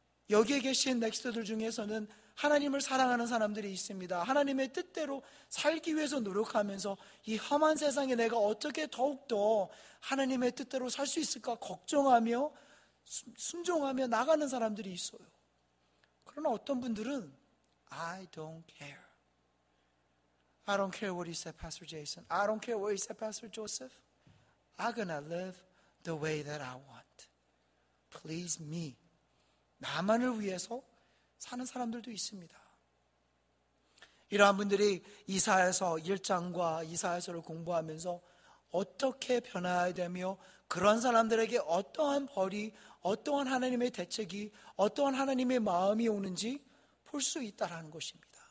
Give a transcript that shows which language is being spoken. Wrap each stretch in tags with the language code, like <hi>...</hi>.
<ko>여기에 계신 넥스트들 중에서는 하나님을 사랑하는 사람들이 있습니다. 하나님의 뜻대로 살기 위해서 노력하면서 이 험한 세상에 내가 어떻게 더욱더 하나님의 뜻대로 살 수 있을까 걱정하며 순종하며 나가는 사람들이 있어요. 그러나 어떤 분들은</ko> <en>I don't care. I don't care what he said, Pastor Jason. I don't care what he said, Pastor Joseph. I'm gonna live the way that I want. Please me.</en> <ko>나만을 위해서 사는 사람들도 있습니다. 이러한 분들이 이사야서 1장과 이사야서를 공부하면서 어떻게 변화해야 되며 그런 사람들에게 어떠한 벌이, 어떠한 하나님의 대책이, 어떠한 하나님의 마음이 오는지 볼 수 있다라는 것입니다.</ko>